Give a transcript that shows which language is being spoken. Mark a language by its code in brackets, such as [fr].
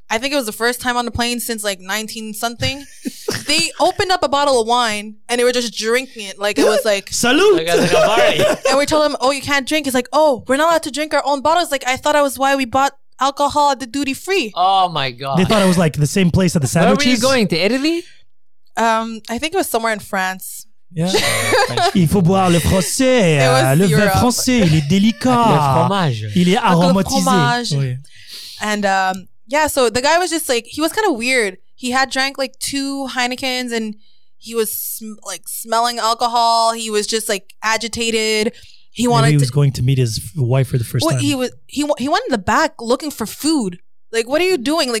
[en] I think it was the first time on the plane since like 19 something. They opened up a bottle of wine and they were just drinking it. Like it was like, salute. And we told them, oh, you can't drink. It's like, oh, we're not allowed to drink our own bottles. Like I thought that was why we bought alcohol at the duty free. Oh my God. They thought it was like the same place at the sandwiches. Where were you going to Italy? I think it was somewhere in France. [fr] Yeah. Il faut boire le français. Le vin français, il est délicat. Le fromage. Il est aromatisé. Le fromage. [en] And, yeah, so the guy was just like, he was kind of weird. He had drank like 2 Heinekens and he was like smelling alcohol. He was just like agitated. He wanted Maybe he was going to meet his wife for the first time. He went in the back looking for food. Like, what are you doing?